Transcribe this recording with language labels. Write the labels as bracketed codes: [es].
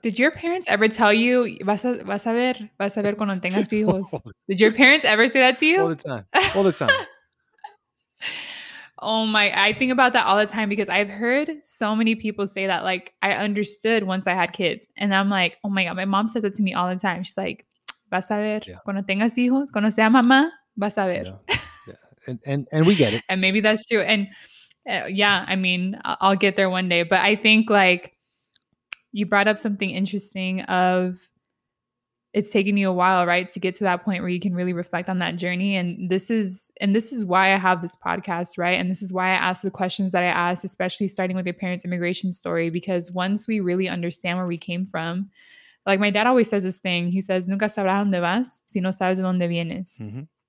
[en] Did your parents ever tell you, [es] vas a ver cuando tengas hijos? [en] Did your parents ever say that to you? All the time. Oh my, I think about that all the time because I've heard so many people say that, like, I understood once I had kids. And I'm like, oh my God, my mom said that to me all the time. She's like, [es] vas a ver, yeah, cuando tengas hijos, cuando sea mamá, vas a ver. [en] Yeah. And we get it. And maybe that's true. And yeah, I mean, I'll get there one day. But I think, like, you brought up something interesting of it's taken you a while, right, to get to that point where you can really reflect on that journey. And this is why I have this podcast, right? And this is why I ask the questions that I ask, especially starting with your parents' immigration story, because once we really understand where we came from, like my dad always says this thing, he says, [es] nunca sabrás dónde vas si no sabes de dónde vienes. [en] Mm-hmm.